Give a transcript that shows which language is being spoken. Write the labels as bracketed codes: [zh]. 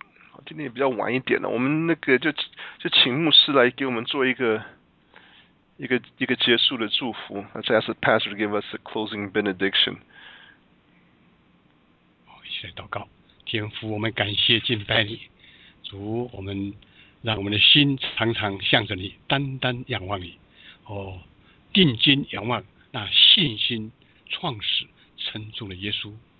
[zh] 好，今天也比较晚一点了，我们那个就请牧师来给我们做一个结束的祝福。 [en] Let's ask the pastor to give us a closing benediction. [zh] 好，一起来祷告。天父，我们感谢敬拜你，主，我们让我们的心常常向着你，单单仰望你。哦，定睛仰望那信心创始成终的耶稣。